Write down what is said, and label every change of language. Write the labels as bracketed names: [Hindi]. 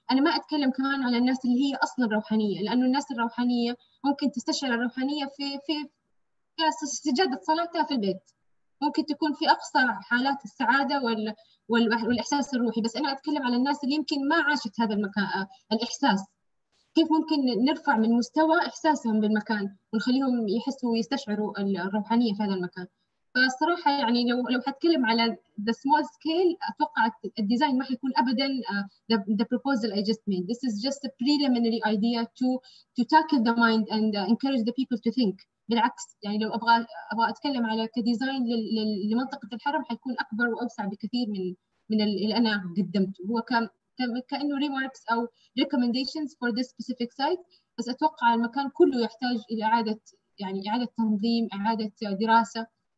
[Arabic] انا ما اتكلم كمان على الناس اللي هي اصلا روحانيه، لانه الناس الروحانيه ممكن تستشعر الروحانيه في سجاده صلاتها في البيت، ممكن تكون في أقصى حالات السعادة والإحساس الروحي، بس أنا أتكلم على الناس اللي يمكن ما عاشت هذا المكان الإحساس، كيف ممكن نرفع من مستوى إحساسهم بالمكان ونخليهم يحسوا ويستشعروا الروحانية في هذا المكان. ف فصراحة يعني لو هتكلم على the small scale أتوقع الديزاين ما حيكون أبداً the proposal I just made. [English] This is just a preliminary idea to tackle the mind and encourage the people to think. [Arabic] بالعكس يعني لو أبغى أتكلم على كديزاين لمنطقة الحرم حيكون أكبر وأوسع بكثير من اللي أنا قدمته. [English] هو كأنه remarks أو recommendations for this specific site. [Arabic] بس أتوقع المكان كله يحتاج إلى إعادة يعني إعادة تنظيم، إعادة دراسة.